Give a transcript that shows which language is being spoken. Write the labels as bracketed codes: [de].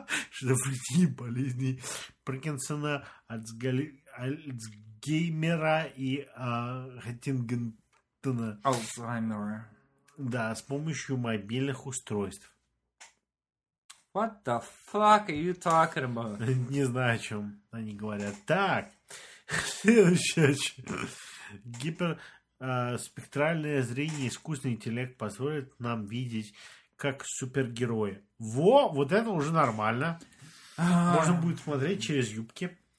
[ru] Шизофрении, болезней Паркинсона, Альцгеймера и Хаттингтона. Альцгеймера. Да, с помощью мобильных устройств. [en] What the fuck are you talking about? [ru] Не знаю, о чем они говорят. Так, следующее. Гиперспектральное зрение и искусственный интеллект позволит нам видеть как супергерои. Во, вот это уже нормально. Можно будет смотреть через юбки.